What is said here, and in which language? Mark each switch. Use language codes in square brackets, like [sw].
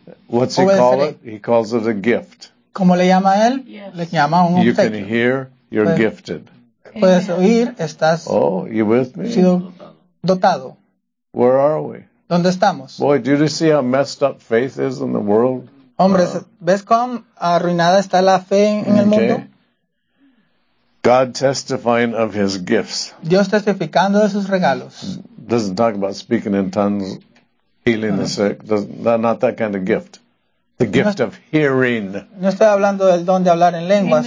[en] What's he call it? He calls it a gift. [es] ¿Cómo le llama él? [en] Yes. [es] Le llama un obsequio. [en] You can hear, you're gifted. [es] Puedes oír, estás. [en] Oh, you with me? [es] Sido dotado. [en] Where are we? [es] ¿Dónde estamos? [en] Boy, do you see how messed up faith is in the world? [es] Hombre, ¿ves cómo arruinada está la fe en el mundo? [en] God testifying of his gifts. [es] Dios testificando de sus regalos. [en] Doesn't talk about speaking in tongues, healing the sick. Not that kind of gift. The gift of hearing. [es] No estoy hablando del don de hablar en lenguas.